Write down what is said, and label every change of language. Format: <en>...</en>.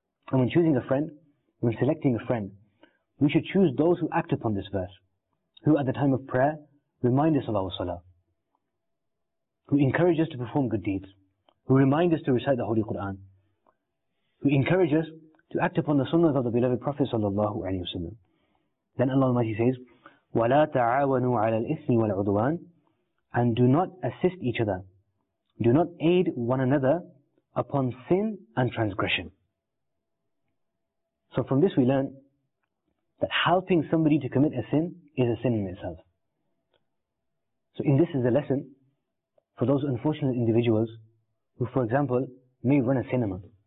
<en>And when choosing a friend, when selecting a friend, we should choose those who act upon this verse, who at the time of prayer remind us of our salah, who encourage us to perform good deeds, who remind us to recite the Holy Quran, who encourage us to act upon the sunnah of the beloved Prophet sallallahu alaihi wasallam. Then Allah Almighty says,</en> <ar>وَلَا تَعَاوَنُوا عَلَى الْإِثْمِ وَالْعُدْوَانِ.</ar> <en>And do not assist each other. Do not aid one another upon sin and transgression. So from this we learn that helping somebody to commit a sin is a sin in itself. So in this is a lesson for those unfortunate individuals who, for example, may run a cinema.</en>